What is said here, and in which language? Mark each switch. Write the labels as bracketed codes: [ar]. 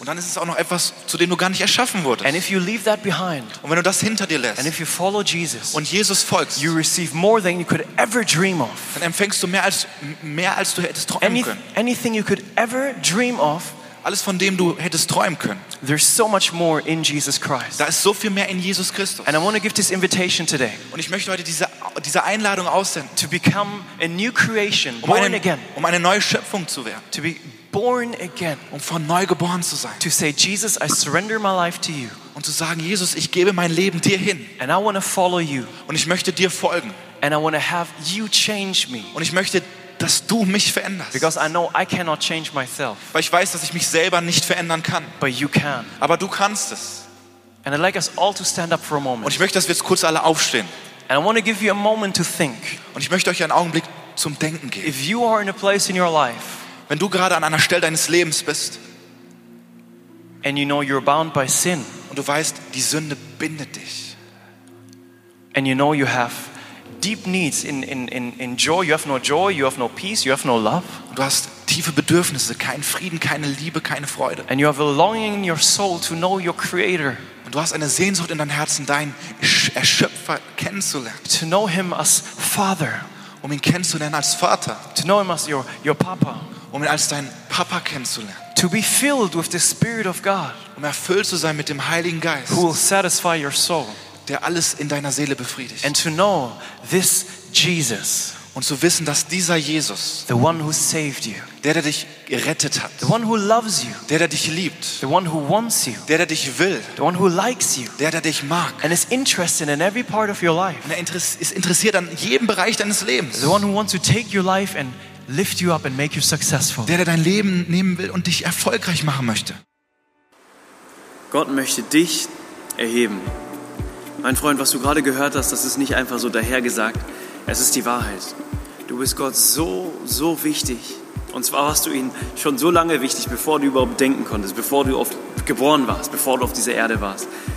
[de] Und dann ist es auch noch etwas, zu dem du gar nicht erschaffen wurdest. [en] And if you leave that behind, [de] und wenn du das hinter dir lässt, [en] and if you follow Jesus, [de] und Jesus folgst, [en] you receive more than you could ever dream of. [de] Dann empfängst du mehr als du hättest träumen können. [en] Anything you could ever dream of. [de] Alles, von dem du hättest träumen können. [en] There's so much more in Jesus Christ. [de] Da ist so viel mehr in Jesus Christus. [en] And I want to give this invitation today. [de] Und ich möchte heute diese Einladung aussenden. [en] To become a new creation, born again. [de] Um eine neue Schöpfung zu werden. [en] To be born again. [de] Um von neu geboren zu sein. [en] To say, Jesus, I surrender my life to you. [de] Und zu sagen, Jesus, ich gebe mein Leben dir hin. [en] And I want to follow you. [de] Und ich möchte dir folgen. [en] And I want to have you change me. [de] Und ich möchte, dass du mich veränderst. [en] Because I know I cannot change myself. [de] Weil ich weiß, dass ich mich selber nicht verändern kann. [en] But you can. [de] Aber du kannst es. [en] And I'd like us all to stand up for a moment. [de] Und ich möchte, dass wir jetzt kurz alle aufstehen. [en] And I want to give you a moment to think. [de] Und ich möchte euch einen Augenblick zum Denken geben. [en] If you are in a place in your life, [de] wenn du gerade an einer Stelle deines Lebens bist, [en] and you know you're bound by sin, [de] und du weißt, die Sünde bindet dich, [en] and you know you have deep needs in joy, you have no joy, you have no peace, you have no love. [de] Du hast tiefe Bedürfnisse, keinen Frieden, keine Liebe, keine Freude. [en] And you have a longing in your soul to know your Creator. [de] Und du hast eine Sehnsucht in deinem Herzen, deinen Erschöpfer kennenzulernen. [en] To know him as Father. [de] Um ihn kennenzulernen als Vater. [en] To know him as your Papa. [de] Um ihn als dein Papa kennenzulernen. [en] To be filled with the Spirit of God. [de] Um erfüllt zu sein mit dem Heiligen Geist. [en] Who will satisfy your soul. [de] Der alles in deiner Seele befriedigt. [en] And to know this Jesus. [de] Und zu wissen, dass dieser Jesus, [en] the one who saved you, [de] der dich gerettet hat, [en] the one who loves you, [de] der dich liebt, [en] the one who wants you, [de] der dich will, [en] the one who likes you, [de] der dich mag, [en] and is interested in every part of your life, [de] und ist interessiert an jedem Bereich deines Lebens, [en] the one who wants to take your life and lift you up and make you successful, [de] der dein Leben nehmen will und dich erfolgreich machen möchte. Gott möchte dich erheben. Mein Freund, was du gerade gehört hast, das ist nicht einfach so dahergesagt. Es ist die Wahrheit. Du bist Gott so, so wichtig. Und zwar warst du ihn schon so lange wichtig, bevor du überhaupt denken konntest, bevor du oft geboren warst, bevor du auf dieser Erde warst.